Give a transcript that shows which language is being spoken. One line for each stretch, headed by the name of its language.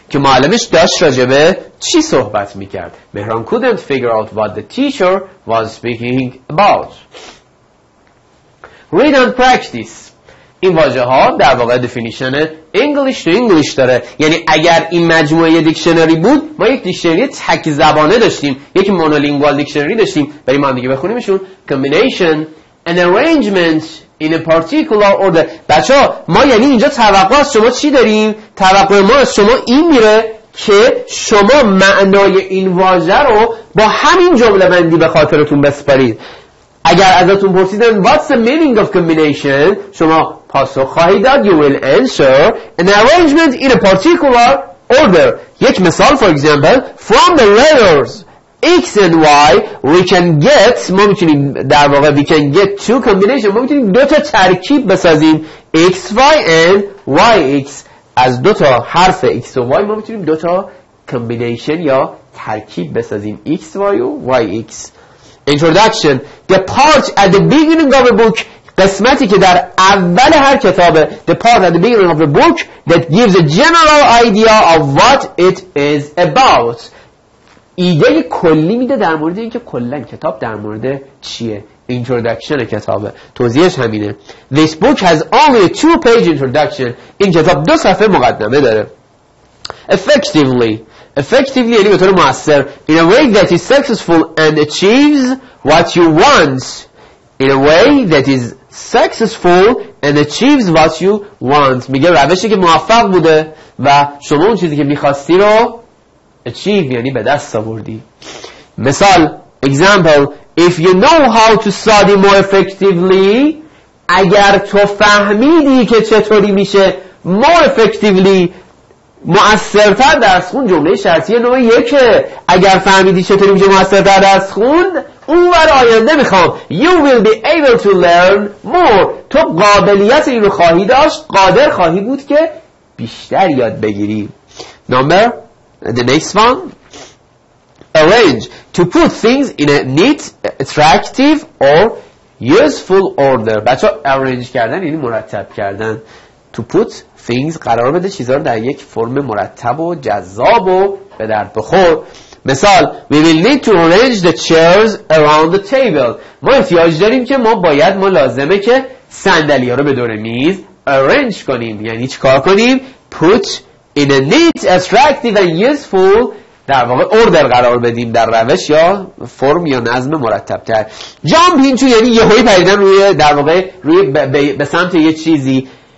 Persian: که معلمش داشت راجبه چی صحبت میکرد.
English: Mehran couldn't figure out what the teacher was speaking about. Read and practice.
Persian: این واژه ها در واقع دفینیشن انگلیش تو انگلیش داره. یعنی اگر این مجموعه دیکشنری بود، ما یک دیکشنری تک زبانه داشتیم، یک مونولینگوال دیکشنری داشتیم. بریم هم دیگه بخونیمشون.
English: Combination. An arrangement in a particular order.
Persian: بچه ها ما یعنی اینجا توقع از شما چی داریم؟ توقع ما از شما این میره که شما معنای این واژه رو با همین جمله بندی به خاطرتون بسپارید. اگر ازتون پرسیدن
English: What's the meaning of combination؟
Persian: شما پاسخ خواهید داد.
English: You will answer an arrangement in a particular order.
Persian: یک مثال
English: for example, from the letters X and Y we can get,
Persian: ما میتونیم در واقع
English: we can get two combination,
Persian: ما میتونیم دو تا ترکیب بسازیم
English: X, Y and Y, X.
Persian: از دو تا حرف X و Y ما میتونیم دو تا combination یا ترکیب بسازیم X, Y و Y, X.
English: Introduction. The part at the beginning of a book,
Persian: قسمتی که در اول هر کتابه,
English: the part at the beginning of the book that gives a general idea of what it is about.
Persian: ایده کلی میده در مورد اینکه کلن کتاب در مورد چیه.
English: Introduction
Persian: کتابه, توضیحش همینه.
English: This book has only a 2-page introduction.
Persian: این کتاب دو صفحه مقدمه داره. Effectively یعنی به طور مؤثر.
English: In a way that is successful and achieves what you want. In a way that is successful and achieves what you want.
Persian: میگه روشی که موفق بوده و شما اون چیزی که میخواستی رو achieve یعنی به دست آوردی. مثال, example,
English: if you know how to study more effectively,
Persian: اگر تو فهمیدی که چطوری میشه
English: more effectively
Persian: مؤثرتر درس خون, جمله شرطی نوع یکه, اگر فهمیدی چطوری میشه مؤثرتر درس خون, اون ور آینده میخوام,
English: you will be able to learn more,
Persian: تو قابلیت این رو خواهی داشت, قادر خواهی بود که بیشتر یاد بگیری.
English: Number the next one, arrange, to put things in a neat, attractive or useful order.
Persian: بچه ها arrange کردن یعنی مرتب کردن.
English: To put things,
Persian: قرار بده چیزها رو در یک فرم مرتب و جذاب و به درد بخور. مثال,
English: we will need to arrange the chairs around the table.
Persian: ما احتیاج داریم که ما لازمه که صندلی‌ها رو به دور میز arrange کنیم. یعنی چی کار کنیم؟
English: Put in a neat, attractive and useful,
Persian: در واقع order قرار بدیم در روش یا فرم یا نظم مرتب تر. Jump into یعنی یه هایی پریدن روی در واقع روی به سمت یه چیزی.